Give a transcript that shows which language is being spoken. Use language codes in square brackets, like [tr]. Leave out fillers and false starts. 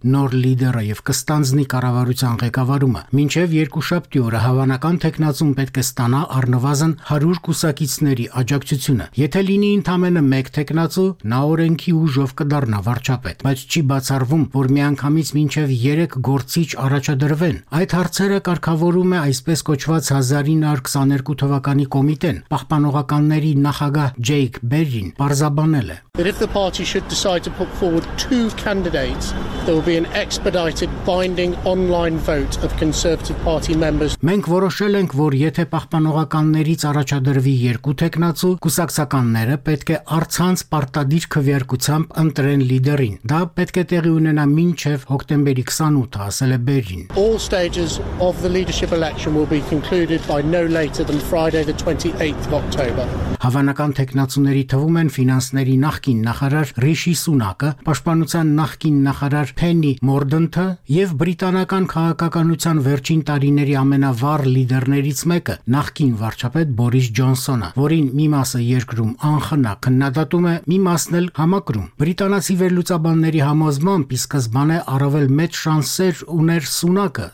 [hy] նոր լիդերը և կստանձնի կառավարության ղեկավարումը։ Մինչև 2 շաբթի օրը հավանական թեկնածուն պետք է ստանա առնվազն 100 կուսակիցների աջակցությունը։ Եթե լինի ընդամենը 1 թեկնածու, նա օրենքի ուժով կդառնա վարչապետ, բայց չի բացառվում, որ միանգամից մինչև 3 գործիչ առաջադրվեն։ Այդ հարցերը կարգավորում է այսպես կոչված 1922 թվականի կոմիտեն, պահպանողականների նախագահ Ջեյք Բերրին պարզաբանել է. [en] If the party should decide to put forward 2 candidates, there will be an expedited binding online vote of Conservative Party members. [hy] Մենք որոշել ենք, որ եթե պահպանողականներից առաջադրվի 2 թեկնածու, կուսակցականները պետք է առցանց պարտադիր քվեարկությամբ ընտրեն լիդերին։ Դա պետք է տեղի ունենա մինչև հոկտեմբերի 28-ը, ասել է Բերրին։ [en] All stages of the leadership election election will be concluded by no later than Friday the 28th of October. [hy] Հավանական թեկնածուների թվում են ֆինանսների նախկին նախարար Ռիշի Սունակը, պաշտպանության նախկին նախարար Փենի Մորդընթը եւ բրիտանական քաղաքականության վերջին տարիների ամենավառ լիդերներից մեկը, նախկին վարչապետ Բորիս Ջոնսոնը, որին մի մասը երկրում անխնա քննադատում է, մի մասն էլ համակրում։ Բրիտանացի վերլուծաբանների համաձայնապես ի սկզբանե առավել մեծ շանսեր ուներ Սունակը,